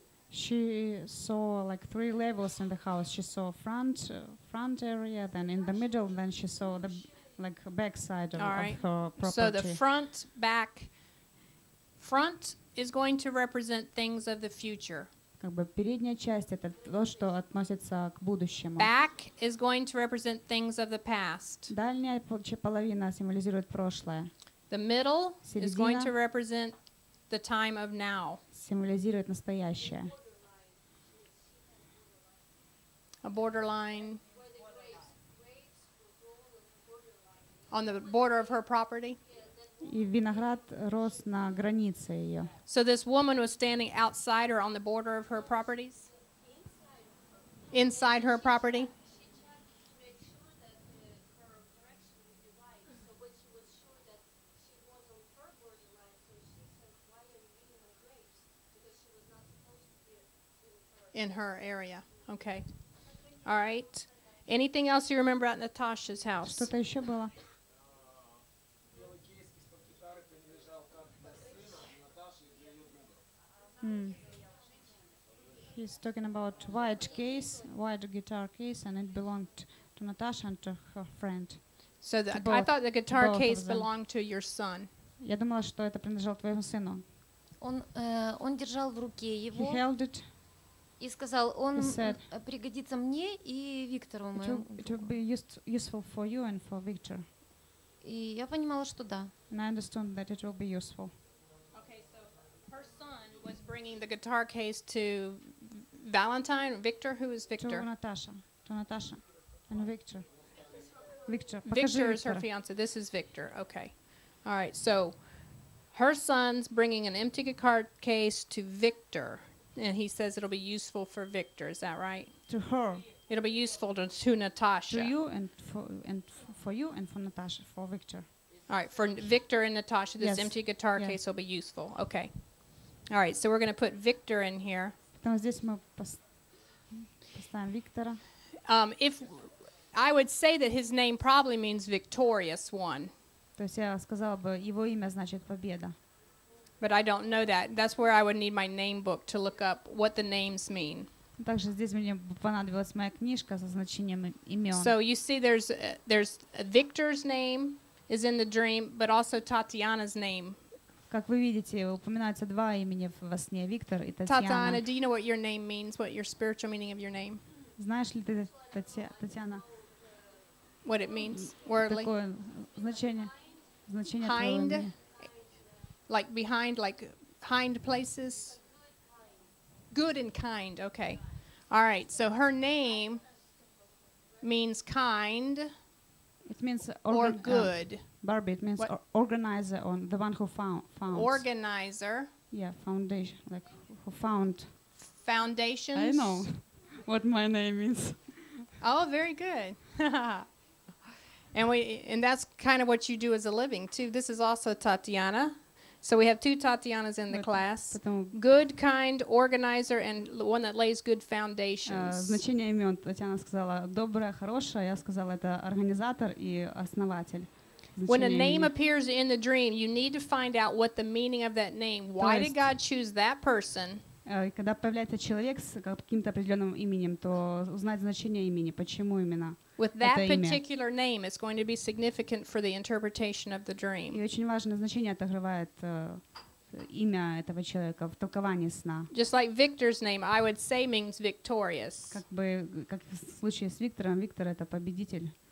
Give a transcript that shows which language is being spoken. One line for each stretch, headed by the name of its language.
English: She saw like three levels in the house. She saw front area, then in the middle, then she saw the back side of her property. So the front, back, front is going to represent things of the future.
Russian: Как бы передняя часть это то, что относится к будущему.
English: Back is going to represent things of the past.
Russian: Дальняя половина символизирует прошлое.
English: The middle is going to represent the time of now.
Russian: Символизирует настоящее.
English: A borderline on the border of her property.
Russian: И виноград рос на границе её.
English: So this woman was standing outside or on the border of her properties? Inside her property? In her area. Okay. All right. Anything else you remember at Natasha's house?
Russian: Что-то ещё было?
English: He's talking about white guitar case and it belonged to Natasha and to her friend. So I thought the guitar case belonged to your son.
Russian: Я думала, что это принадлежало твоему сыну. Он держал в руке его.
English: He held it.
Russian: И сказал, он пригодится мне и Виктору моему.
English: It will be useful for you and for Victor.
Russian: И я понимала, что да.
English: And I understand that it will be useful. Okay, so bringing the guitar case to Valentine. Victor, who is Victor? To Natasha. And Victor. Victor. Victor is her fiance. This is Victor. Okay. All right. So her son's bringing an empty guitar case to Victor, and he says it'll be useful for Victor. Is that right? To her. It'll be useful to Natasha. To you and for Natasha, for Victor. All right, for Victor and Natasha, this empty guitar case will be useful. Okay. All right, so we're going to put Victor in here.
Russian: Потом здесь мы поставим Виктора.
English: If I would say that his name probably means victorious one.
Russian: То есть я сказала бы, его имя значит победа.
English: But I don't know that. That's where I would need my name book to look up what the names mean.
Russian: Также здесь мне понадобилась моя книжка со значением имен.
English: So you see, there's Victor's name is in the dream, but also Tatiana's name.
Russian: Как вы видите, упоминаются два имени во сне: Виктор и Татьяна.
English: Tatiana, do you know what your name means? What your spiritual meaning of your name?
Russian: Знаешь ли ты, Татьяна?
English: What it means, worldly.
Russian: Такое значение. Значение твоего имени.
English: Like behind, like hind places. Good and kind, okay. All right, so her name means kind. It means or good. Barbie, it means organizer, or the one who found. Organizer. Yeah, foundation, like who found. Foundations? I don't know what my name is. Oh, very good. And that's kind of what you do as a living, too. This is also Tatiana. So we have two Tatianas in the class. Good, kind, organizer, and one that lays good foundations.
Russian: Значение имен. Татьяна сказала добрая, хорошая. Я сказала это организатор и основатель.
English: When a name appears in the dream, you need to find out what the meaning of that name. Why did God choose that person?
Russian: Когда появляется человек с каким-то определенным именем, то узнать значение имени. Почему именно?
English: With that particular name, it's going to be significant for the interpretation of the dream.
Russian: И очень важное значение отыгрывает имя этого человека в толковании сна.
English: Just like Victor's name, I would say means victorious.
Russian: Как в случае с Виктором, Виктор это победитель.